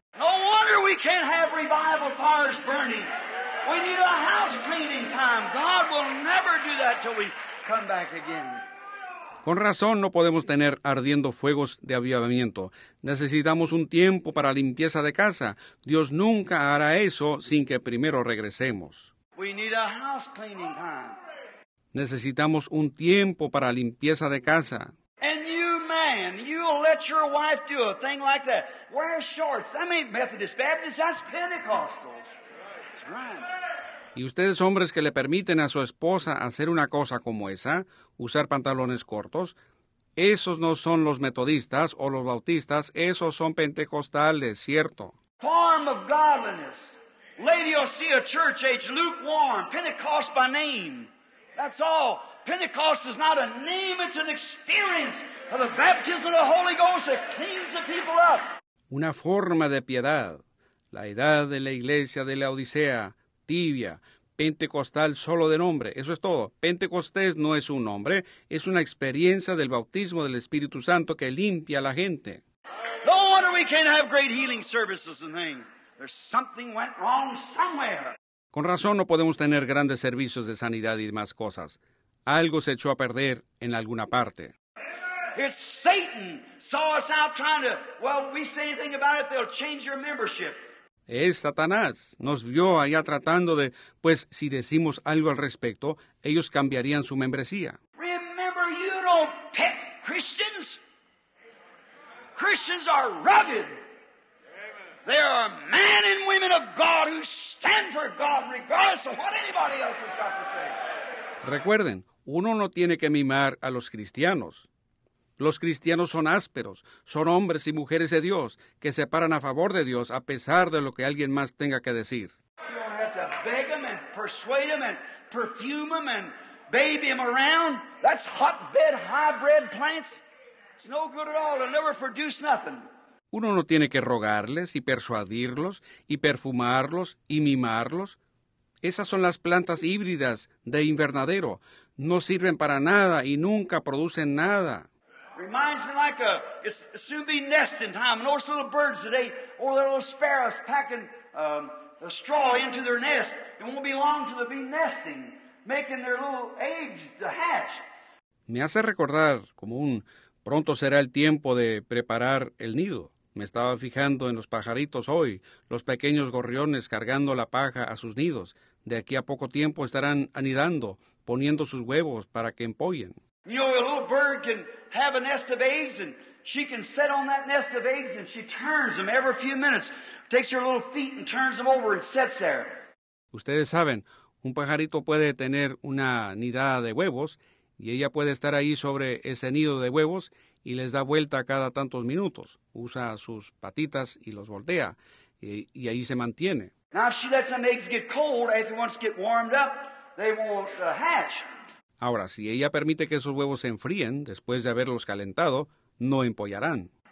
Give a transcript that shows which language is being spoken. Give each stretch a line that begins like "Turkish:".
English: No wonder we can't have revival fires burning. We need a house cleaning time. God will never do that till we come back again.
Spanish: Con razón no podemos tener ardiendo fuegos de avivamiento. Necesitamos un tiempo para limpieza de casa. Dios nunca hará eso sin que primero regresemos.
English: We need a house cleaning time.
Spanish: Necesitamos un tiempo para limpieza de casa.
English: And you man, you'll let your wife do a thing like that. Wear shorts. That ain't Methodist, Baptist, that's Pentecostals.
Spanish: Y ustedes, hombres, que le permiten a su esposa hacer una cosa como esa, usar pantalones cortos, esos no son los metodistas o los bautistas, esos son pentecostales, ¿cierto?
English: Form of godliness. Laodicea church age, lukewarm, Pentecost by name. That's all. Pentecost is not a name, it's an experience of the baptism of the Holy Ghost that cleans the people up.
Spanish: Una forma de piedad. La edad de la iglesia de Laodicea, tibia, pentecostal solo de nombre. Eso es todo. Pentecostés no es un nombre, es una experiencia del bautismo del Espíritu Santo que limpia a la gente.
English: No wonder we can't have great healing services and things. There's something went wrong somewhere.
Spanish: Con razón no podemos tener grandes servicios de sanidad y demás cosas. Algo se echó a perder en alguna parte.
English: It's Satan saw us out trying to, well, if we say anything about it, they'll change your membership.
Spanish: Es Satanás. Nos vio allá tratando de, pues, si decimos algo al respecto, ellos cambiarían su membresía.
English: Remember, you don't pet Christians. Christians are rugged. They are men and women of God who stand for God regardless of what anybody else has got to say.
Spanish: Recuerden, uno no tiene que mimar a los cristianos. Los cristianos son ásperos, son hombres y mujeres de Dios que se paran a favor de Dios a pesar de lo que alguien más tenga que decir.
English: You don't have to beg them and persuade them and perfume them and baby them around. That's hotbed hybrid plants. It's no good at all. They'll never produce nothing.
Spanish: Uno no tiene que rogarles y persuadirlos y perfumarlos y mimarlos. Esas son las plantas híbridas de invernadero. No sirven para nada y nunca producen nada.
English: Reminds me like a, it's soon be nesting time. Those little birds today, or the little sparrows packing a straw into their nest. It won't be long till they'll be nesting, making their little eggs to hatch.
Spanish: Me hace recordar como un pronto será el tiempo de preparar el nido. Me estaba fijando en los pajaritos hoy, los pequeños gorriones cargando la paja a sus nidos. De aquí a poco tiempo estarán anidando, poniendo sus huevos para que empollen.
English: You know, a little bird can have a nest of eggs, and she can sit on that nest of eggs, and she turns them every few minutes, takes her little feet and turns them over and sits there.
Spanish: Ustedes saben, un pajarito puede tener una nidada de huevos, y ella puede estar ahí sobre ese nido de huevos, y les da vuelta cada tantos minutos. Usa sus patitas y los voltea, y ahí se mantiene.
English: Now, if she lets them eggs get cold, after once get warmed up, they won't hatch.
Spanish: Ahora, si ella permite que esos huevos se enfríen después de haberlos calentado, no empollarán.